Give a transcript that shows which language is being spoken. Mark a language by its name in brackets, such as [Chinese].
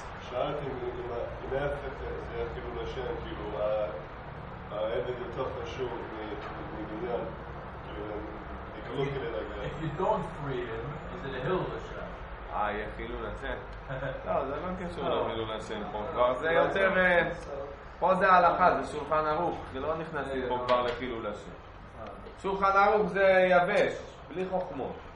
[Hebrew] שאלתי אם נהפך את זה, כאילו לשם, כאילו העבד יותר חשוב מבניין, כאילו הם יקלו כדי להגיע. [English] If you don't free him, is it a hill לשם? [Hebrew] יחילו לשם. לא, זה לא קשור למילו לשם פה. כבר זה יותר, פה זה ההלכה, זה שולחן ערוך, זה לא נכנס פה כבר לכאילו לשם. שולחן ערוך זה יבש, בלי חוכמות.